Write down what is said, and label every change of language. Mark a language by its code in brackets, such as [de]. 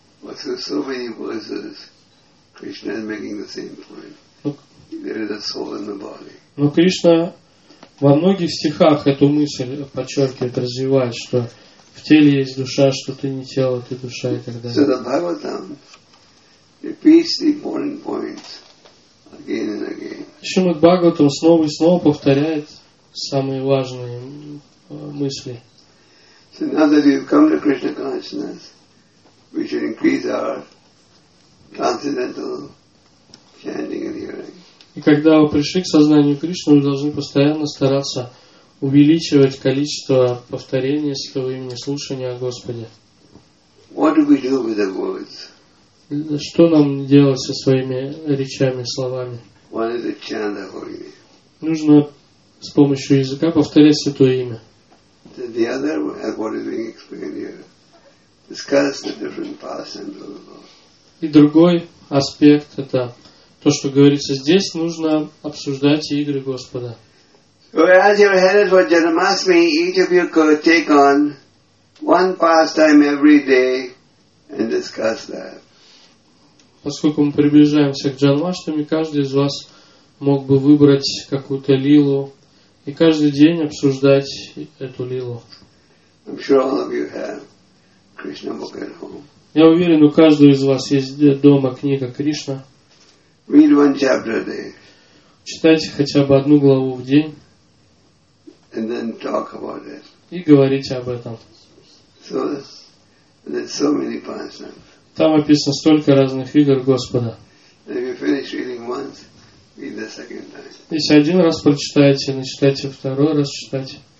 [en] But through so many verses, Krishna is making the same point. There is a soul in the body. [ru] Но Кришна во многих стихах эту мысль подчеркивает, развивает, что в теле есть душа, что ты не тело, ты душа и так далее. [en] So the Bhagavatam repeats the important points again and again. [ru] Шримад Бхагаватам снова и снова повторяет самые важные мысли. [en] So now that we've come to Krishna consciousness, we should increase our transcendental chanting and hearing. [ru] И когда вы пришли к сознанию Кришны, вы должны постоянно стараться увеличивать количество повторений Святого имени, слушания о Господе. [en] What do we do with the words? [ru] Что нам делать со своими речами, словами? [en] What is the chant of Holy Name? [ru] Нужно с помощью языка повторять Святое имя. [en] The other, what is being explained here, discuss the different paths and the Lord. [ru] И другой аспект это то, что говорится здесь, нужно обсуждать игры Господа. [en] As you're headed for Janmasmi, each of you could take on one pastime every day and discuss that. [ru] Поскольку мы приближаемся к Джанмаштами, каждый из вас мог бы выбрать какую-то лилу и каждый день обсуждать эту лилу. [en] I'm sure all of you have Krishna book at home. [ru] Я уверен, у каждого из вас есть дома книга Кришна. [en] Read one chapter a day. [ru] Читайте хотя бы одну главу в день. [en] And then talk about it. [ru] И говорите об этом. [en] So there's so many pastimes. [ru] Там описано столько разных игр Господа. [en] If you finish reading once, read the second time. [ru] Если один раз прочитаете, начитайте второй раз читать.